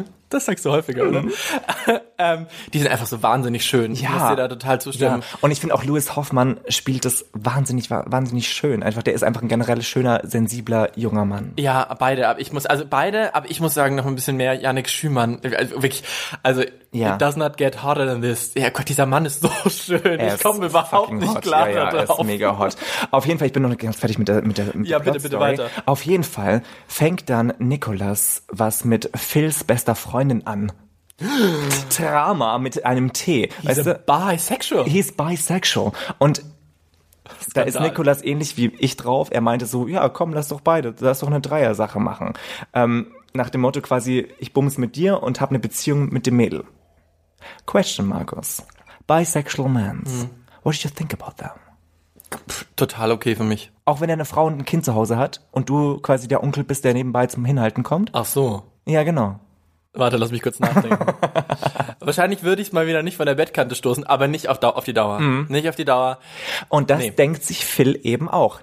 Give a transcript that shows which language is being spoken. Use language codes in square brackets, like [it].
[de] Das sagst du häufiger, oder? Die sind einfach so wahnsinnig schön. Ja. Ich muss dir da total zustimmen. Ja. Und ich finde auch, Louis Hoffmann spielt das wahnsinnig, wahnsinnig schön. Einfach, der ist einfach ein generell schöner, sensibler, junger Mann. Ja, beide. Aber ich muss sagen, noch ein bisschen mehr, Yannick Schümann. [en] Also, it does not get hotter than this. [de] Ja, Gott, dieser Mann ist so schön. Ich komme überhaupt nicht klar. Ja, er ist mega hot. Auf jeden Fall, ich bin noch nicht ganz fertig mit der Plot-Story. Ja, bitte weiter. Auf jeden Fall fängt dann Nicholas was mit Phils bester Freundin an. Drama mit einem T. [en] He's bisexual. [de] Und da ist Nicholas ähnlich wie ich drauf. Er meinte so, ja, komm, lass doch eine Dreier-Sache machen. Nach dem Motto quasi, ich bumm's mit dir und hab eine Beziehung mit dem Mädel. [en] Question, Markus. Bisexual men, what did you think about them? [de] Total okay für mich. Auch wenn er eine Frau und ein Kind zu Hause hat und du quasi der Onkel bist, der nebenbei zum Hinhalten kommt. Ach so. Ja, genau. Warte, lass mich kurz nachdenken. Wahrscheinlich würde ich es mal wieder nicht von der Bettkante stoßen, aber nicht auf die Dauer. Mhm. Nicht auf die Dauer. Und das denkt sich Phil eben auch.